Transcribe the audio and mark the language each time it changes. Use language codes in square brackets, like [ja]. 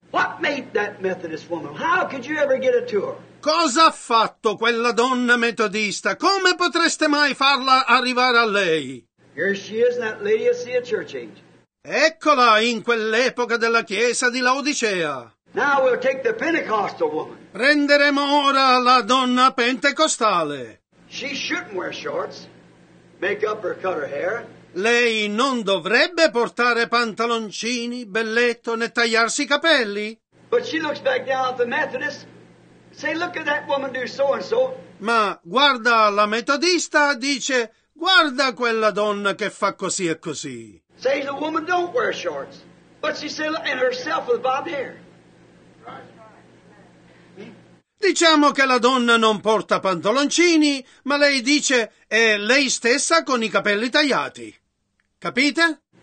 [en] What made that Methodist woman? How could you ever get it to her? [it] Cosa ha fatto quella donna metodista? Come potreste mai farla arrivare a lei? [en] Here she is, that lady of the church age. [it] Eccola in quell'epoca della chiesa di Laodicea. [en] Now we'll take the Pentecostal woman. [it] Prenderemo ora la donna pentecostale. [en] She shouldn't wear shorts, make up or cut her hair. [it] Lei non dovrebbe portare pantaloncini, belletto, né tagliarsi i capelli. [en] But she looks back down at the Methodist, say, look at that woman do so and so. [it] Ma guarda la metodista, dice, guarda quella donna che fa così e così. [en] Say the woman don't wear shorts, but she said, and herself with bobbed hair. [it] Diciamo che la donna non porta pantaloncini, ma lei dice è lei stessa con i capelli tagliati. Capite?